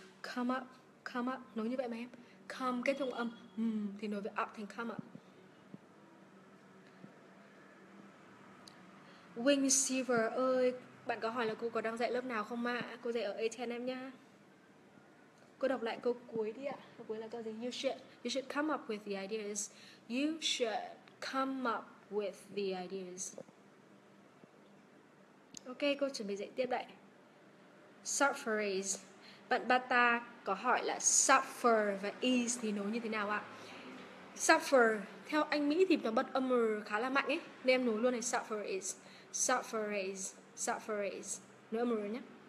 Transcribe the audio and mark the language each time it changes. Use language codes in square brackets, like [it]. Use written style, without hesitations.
[vi] Come up, come up, nối như vậy mà em. Come kết thúc âm thì nối với up thành come up. Wing Silver ơi, bạn có hỏi là cô có đang dạy lớp nào không ạ? Cô dạy ở Aten em nhá. Cô đọc lại câu cuối đi ạ. Câu cuối là câu gì? [en] You should come up with the ideas. You should come up with the ideas. [vi] Ok, cô chuẩn bị dạy tiếp đây. [en] Short phrase. [vi] Bạn Bata có hỏi là suffer và is thì nối như thế nào ạ? Suffer, theo Anh Mỹ thì nó bật âm r khá là mạnh ấy, nên em nối luôn là suffer is. [en] Suffer is, suffer is, [vi] nối âm r nhé.